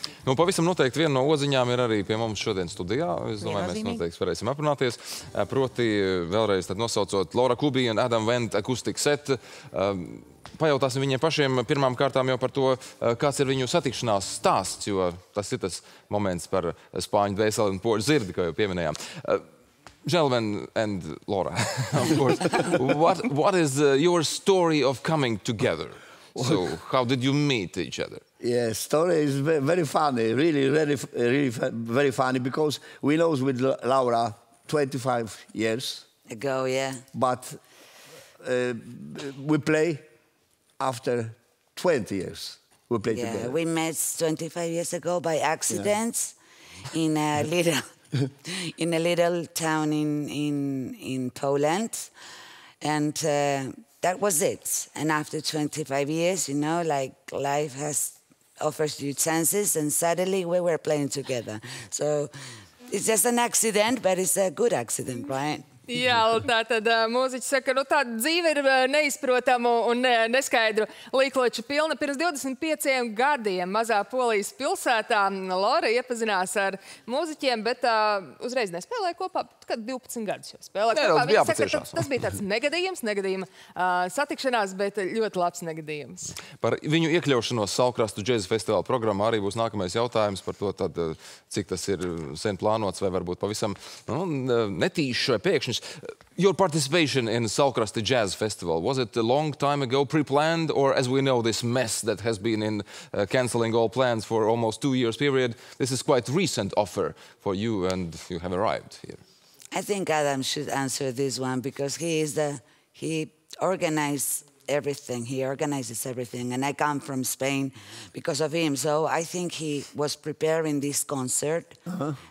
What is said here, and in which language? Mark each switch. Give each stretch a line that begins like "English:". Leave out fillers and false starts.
Latvian: Nu, pavisam noteikti viena no odziņām ir arī pie mums šodien studijā. Es domāju, mēs noteikti varēsim aprunāties. Proti, vēlreiz tad nosaucot Laura Kubi un Adam Vent Acoustic Set. Pajautāsim viņiem pašiem pirmām kārtām jau par to, kāds ir viņu satikšanās stāsts, jo tas ir tas moments par spāņu dvēseli un poļu zirdi, kā jau pieminējām.
English: Gentlemen and Laura, of course, what is your story of coming together? So, how did you meet each other? Yes, yeah, story is very funny, really, really, really very funny, because we know with Laura 25 years ago, yeah. But we play after 20 years, we play yeah, together. We met 25 years ago by accident yeah. in a little... in a little town in Poland, and that was it. And after 25 years, you know, like life has offers you chances, and suddenly we were playing together. So it's just an accident, but it's a good accident, right?
Latvian: Jā, tātad mūziķi saka, nu, tā dzīve ir neizprotama un neskaidra līkloča pilna. Pirms 25 gadiem mazā Polijas pilsētā Laura iepazinās ar mūziķiem, bet uzreiz nespēlēja kopā, kad 12 gadus jau spēlēja kopā. Viņa saka, tas bija tāds negadījuma satikšanās, bet ļoti labs negadījums. Par viņu iekļaušanos Saulkrastu džeza festivāla programmā arī būs nākamais jautājums par to, tad, cik tas ir sen plānots vai varbūt pavisam nu, netīšs vai pēkšņi.
English: Your participation in Saulkrasta Jazz Festival, was it a long time ago pre-planned, or as we know, this mess that has been in cancelling all plans for almost 2 years period, this is quite recent offer for you and you have arrived here? I think Adam should answer this one because he organized everything, he organizes everything, and I come from Spain because of him, so I think he was preparing this concert. Uh-huh.